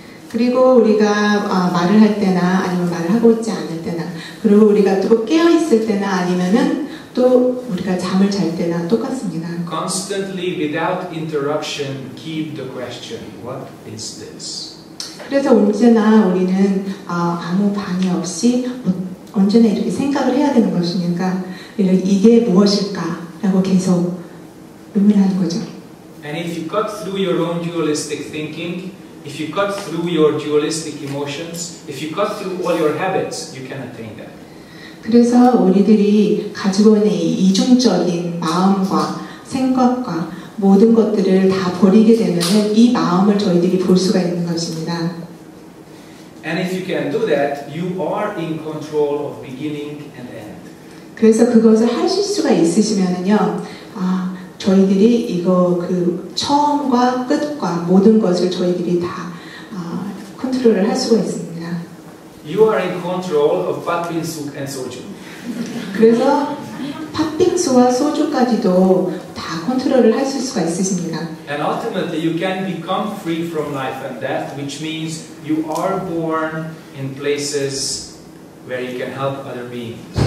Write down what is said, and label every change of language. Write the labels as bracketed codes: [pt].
[ko] 그리고 우리가 말을 할 때나 아니면 말을 하고 있지 않을 때나 그리고 우리가 또 깨어 있을 때나 아니면은 또 우리가 잠을 잘 때나 똑같습니다. [en] Constantly without interruption keep the question. What is this? [ko] 그래서 언제나 우리는 아무 방해 없이 언제나 이렇게 생각을 해야 되는 것이니까 이게 무엇일까라고 계속 의문하는 거죠. [en] And if you cut through your own dualistic thinking, if you cut through your dualistic emotions, if you cut through all your habits, you can attain that. [ko] 그래서 우리들이 가지고 있는 이 이중적인 마음과 생각과 모든 것들을 다 버리게 되면은 이 마음을 저희들이 볼 수가 있는 것입니다. [en] And if you can do that, you are in control of beginning and end. [ko] 그래서 그것을 하실 수가 있으시면은요, 저희들이 이거 그 처음과 끝과 모든 것을 저희들이 다 컨트롤을 할 수가 있습니다. [en] You are in control of Pak Bingsu and Soju. [ko] 그래서 Pak Bingsu와 소주까지도 다 컨트롤을 하실 수가 있으십니다. [en] And ultimately, you can become free from life and death, which means you are born in places where you can help other beings.